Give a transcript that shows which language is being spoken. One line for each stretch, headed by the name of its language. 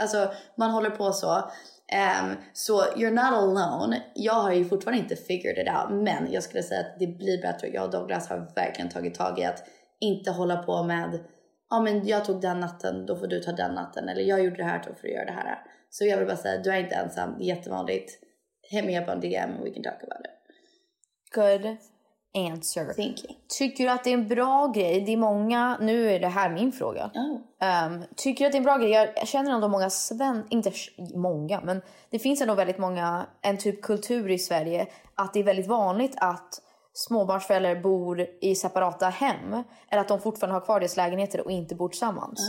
Swedish: Alltså, man håller på så. Så,
English: you're not alone.
Swedish: Jag har ju fortfarande inte
English: figured it out.
Swedish: Men jag skulle säga att det blir bättre. Jag och Douglas har verkligen tagit tag i att inte hålla på med... Ja, men jag tog den natten, då får du ta den natten. Eller jag gjorde det här, då får du göra det här. Så jag vill bara säga, du är inte ensam. Jättevanligt.
English: Hit me up on DM and we can talk about it. Good answer. Thank you.
Swedish: Tycker du att det är en bra grej? Det är många... Nu är det här min fråga. Oh. Tycker du att det är en bra grej? Jag känner ändå många inte många, men det finns ändå väldigt många... En typ kultur i Sverige. Att det är väldigt vanligt att... småbarnsföräldrar bor i separata hem eller att de fortfarande har kvar deras lägenheter och inte bor tillsammans.